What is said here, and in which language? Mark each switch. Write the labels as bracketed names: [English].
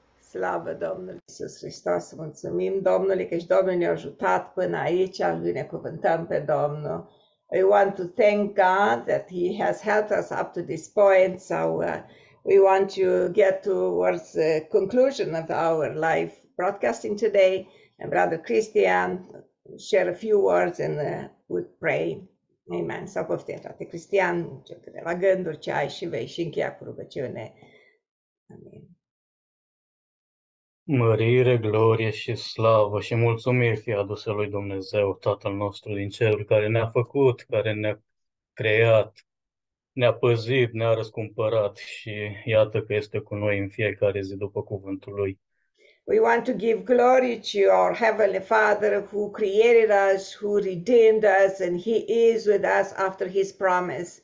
[Romanian] Slavă Domnului Iisus Hristos, mulțumim Domnului că și Domnul ne-a ajutat până aici, îl binecuvântăm pe Domnul. [English] We want to thank God that He has helped us up to this point, so we want to get towards the conclusion of our live broadcasting today, and Brother Christian share a few words and we pray. Amen. [Romanian] Sau poftie, frate Cristian, ce câteva gânduri ce ai și vei și încheia cu rugăciune. Amin. Mărire, glorie și slavă și mulțumiri fie aduse lui Dumnezeu, Tatăl nostru din ceruri, care ne-a făcut, care ne-a creat, ne-a păzit, ne-a răscumpărat și iată că este cu noi în fiecare zi după cuvântul lui. [English] We want to give glory to our Heavenly Father who created us, who redeemed us, and He is with us after His promise.